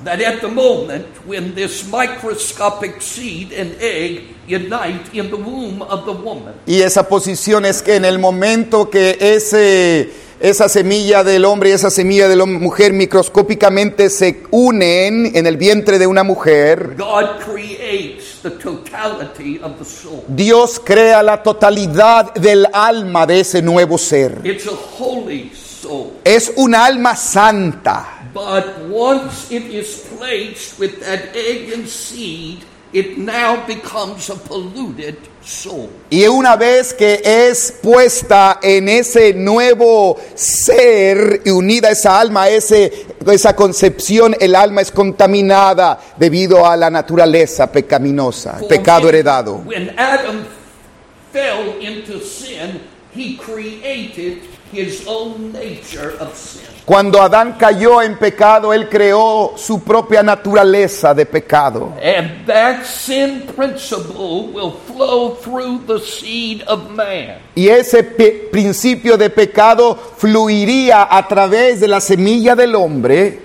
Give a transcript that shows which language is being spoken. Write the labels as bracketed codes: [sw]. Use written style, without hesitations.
[en] That at the moment when this microscopic seed and egg unite in the womb of the woman. [es] Y esa posición es que en el momento que esa semilla del hombre y esa semilla de la mujer microscópicamente se unen en el vientre de una mujer. [en] God creates the totality of the soul. [es] Dios crea la totalidad del alma de ese nuevo ser. [en] It's a holy. [es] Es un alma santa. [en] But once it is placed with that egg and seed, it now becomes a polluted soul. [es] Y una vez que es puesta en ese nuevo ser y unida a esa alma, esa concepción, el alma es contaminada debido a la naturaleza pecaminosa, el pecado heredado. [en] When Adam fell into sin, he created his own nature of sin. [es] Cuando Adán cayó en pecado, él creó su propia naturaleza de pecado. [en] And that sin principle will flow through the seed of man. [es] Y ese principio de pecado fluiría a través de la semilla del hombre.